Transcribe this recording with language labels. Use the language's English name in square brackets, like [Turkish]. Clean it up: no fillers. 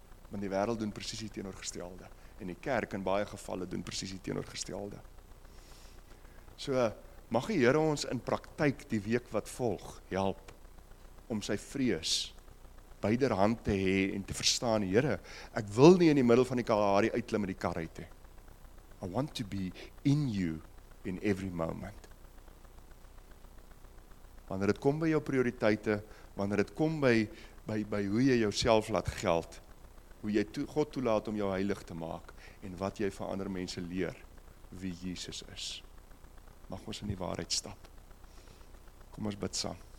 [Afrikaans] Want die wêreld doen presies die teenoorgestelde. En die kerk in baie gevalle doen presies die teenoorgestelde. So, mag die Here ons in praktyk die week wat volg help om sy vrees byderhand te hê en te verstaan, Here, ek wil nie in die middel van die Kalahari uitklim met die kar uit hê. [English] I want to be in you in every moment. [Afrikaans] Wanneer dit kom by jou prioriteite, wanneer dit kom by hoe jy jouself laat geld, hoe jy God toelaat om jou heilig te maak en wat jy van ander mense leer wie Jesus is. Mag ons in die waarheid stap. Kom ons bid saam.